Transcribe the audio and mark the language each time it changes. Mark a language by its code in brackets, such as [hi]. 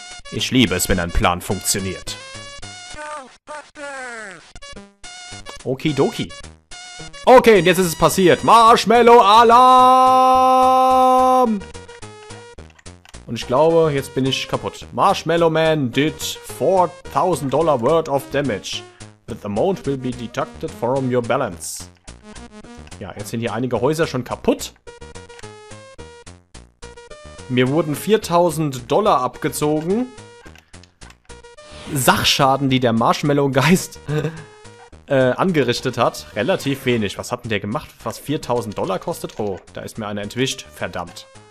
[de] Ich liebe es, wenn ein Plan funktioniert. Okidoki. Okay, jetzt ist es passiert. Marshmallow-Alarm! Und ich glaube, jetzt bin ich kaputt. [en] Marshmallow Man did $4,000 worth of damage. But the amount will be deducted from your balance. [de] Ja, jetzt sind hier einige Häuser schon kaputt. Mir wurden $4,000 abgezogen. Sachschaden, die der Marshmallow-Geist angerichtet hat. Relativ wenig. Was hat denn der gemacht, was $4,000 kostet? Oh, da ist mir einer entwischt. Verdammt.